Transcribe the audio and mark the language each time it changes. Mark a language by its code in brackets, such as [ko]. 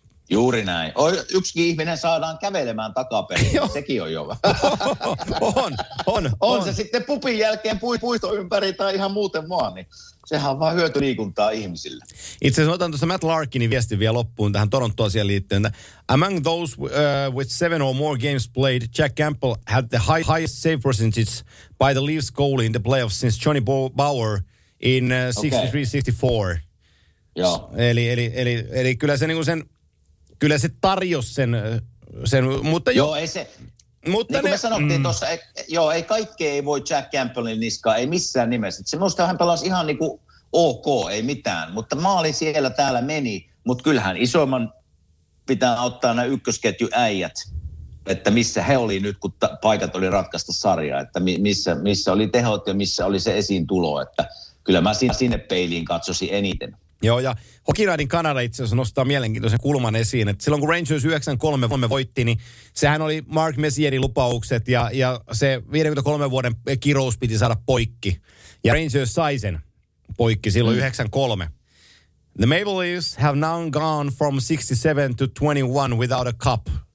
[fi] Juuri näin. Yksikin ihminen saadaan kävelemään takaperin, sekin on jo. On. Se sitten pupin jälkeen puisto ympäri tai ihan muuten vaan, niin. Sehän on vaan hyötyliikuntaa ihmisille. Itse asiassa otan tuosta Matt Larkinin viestin vielä loppuun tähän Toronto asiaan liittyen. [en] Among those with 7 or more games played, Jack Campbell had the highest save percentage by the Leafs goalie in the playoffs since Johnny Bauer in 63-64. [fi] Joo. Eli kyllä se, niinku se tarjosi sen, mutta joo. Joo, ei se. Mutta niin kuin me sanottiin tuossa, ei kaikkea ei voi Jack Campbellin niskaa, ei missään nimessä. Se minusta hän pelasi ihan niin kuin ok, ei mitään. Mutta maali siellä täällä meni, mutta kyllähän isoimman pitää auttaa nämä ykkösketjuäijät, että missä he oli nyt, kun paikat oli ratkaista sarjaa, että missä oli tehot ja missä oli se esiintulo. Että kyllä mä sinne peiliin katsosin eniten. Joo, ja Hokinaidin Kanada itse asiassa nostaa mielenkiintoisen kulman esiin, että silloin kun Rangers 9-3 voitti, niin sehän oli Mark Messierin lupaukset ja se 53 vuoden kirous piti saada poikki. Ja Rangers sai sen poikki silloin 9-3. [en] The Maple Leafs have now gone from 67 to 21 without a cup.